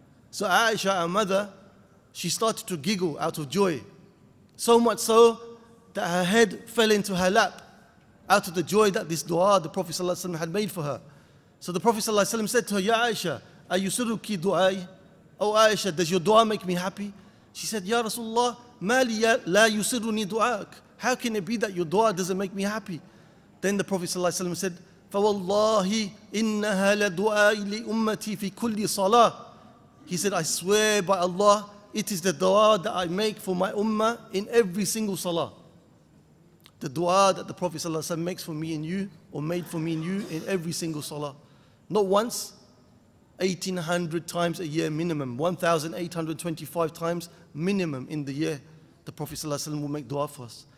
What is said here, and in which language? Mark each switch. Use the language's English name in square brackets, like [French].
[English] So Aisha, our mother, she started to giggle out of joy, so much so that her head fell into her lap out of the joy that this dua the Prophet ﷺ had made for her. So the Prophet ﷺ said to her, Ya Aisha, [Arabic] أَيُسُرُكِ دُعَيْ? [English] Oh Aisha, does your dua make me happy? She said, Ya Rasulullah, [Arabic] مَا لِي لَا يُسِرُنِي دُعَاكَ? [English] How can it be that your dua doesn't make me happy? Then the Prophet ﷺ said, [Arabic] فَوَاللَّهِ إِنَّهَا لَدُعَاءِ لِأُمَّتِي فِي كُلِّ صَلَاةِ. [English] He said, I swear by Allah, it is the dua that I make for my ummah in every single salah. The dua that the Prophet ﷺ makes for me and you, or made for me and you in every single salah. Not once, 1,800 times a year minimum, 1,825 times minimum in the year, the Prophet ﷺ will make dua for us.